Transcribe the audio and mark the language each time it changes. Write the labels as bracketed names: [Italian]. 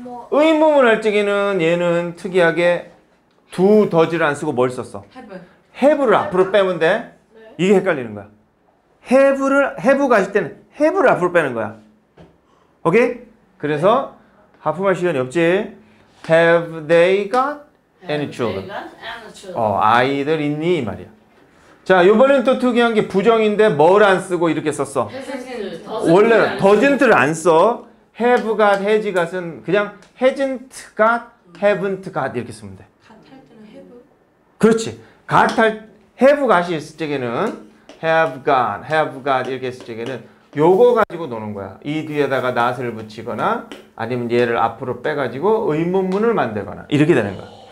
[Korean] 의문문할 적에는 얘는 특이하게 두 더지를 안 쓰고 뭘 썼어? have를 앞으로 빼면 돼. 네. 이게 헷갈리는 거야. have 가실 때는 have를 앞으로 빼는 거야. 오케이? 그래서 하품할 시간이 없지. [English] Have they got any children? [Korean] 아이들 있니? 이 말이야. 자, 요번엔 또 특이한 게 부정인데 뭘 안 쓰고 이렇게 썼어? 원래 doesn't를 안 써. [English] have got, has got은 그냥 hasn't got, haven't got [Korean] 이렇게 쓰면 돼. got 할 때는 have? 그렇지. got 할, have got이 있을 적에는 have got 이렇게 했을 적에는 요거 가지고 노는 거야. 이 뒤에다가 not을 붙이거나 아니면 얘를 앞으로 빼가지고 의문문을 만들거나 이렇게 되는 거야.